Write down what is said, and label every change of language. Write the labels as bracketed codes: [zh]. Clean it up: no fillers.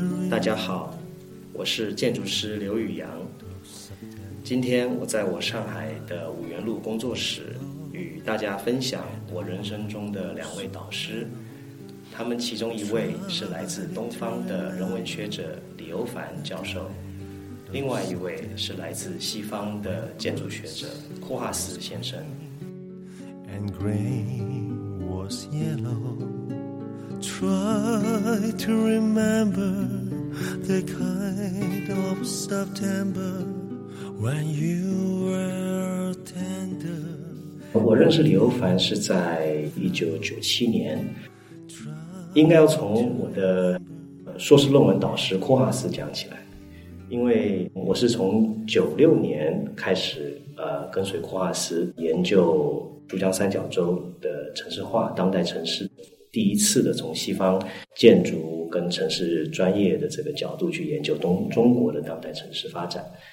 [zh] 大家好，我是建筑师刘宇阳。今天我在我上海的五元路工作室与大家分享我人生中的两位导师，他们其中一位是来自东方的人文学者李欧凡教授，另外一位是来自西方的建筑学者库哈斯先生。 [en] And gray was yellow Try to remember The kind of September When you were tender。 [zh] 我认识李欧凡是在1997年，应该要从我的硕士论文导师库哈斯讲起来，因为我是从96年开始跟随库哈斯研究珠江三角洲的城市化、当代城市，第一次的从西方建筑跟城市专业的这个角度去研究中国的当代城市发展。